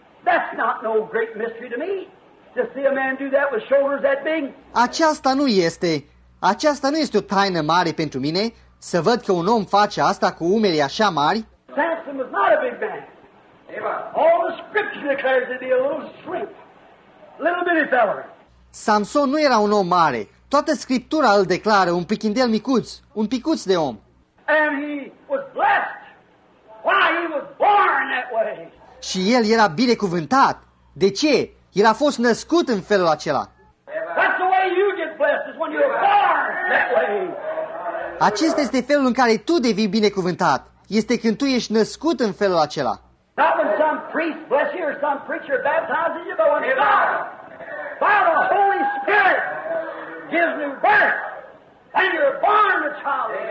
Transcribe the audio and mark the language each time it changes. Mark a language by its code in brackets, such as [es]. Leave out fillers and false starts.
[en] That's not no great mystery to me. To see a man do that with shoulders that big. [ro] Aceasta nu este o taină mare pentru mine să văd că un om face asta cu umeri așa mari. [en] Samson was not a big man. All the scripture declares that he a little shrimp. Little bitty feller. [ro] Samson nu era un om mare. Toată scriptura îl declară un pichindel micuț, un picuț de om. [en] And he was blessed. Why he was born that way? [ro] Și el era binecuvântat. De ce? El a fost născut în felul acela. [en] That's the way you get blessed is when you're born that way. [ro] Acesta este felul în care tu devii binecuvântat. Este când tu ești născut în felul acela. [en] Not when some priest bless you or some preacher baptizes you, but when God, by the Holy Spirit, gives new birth, and you're born a child.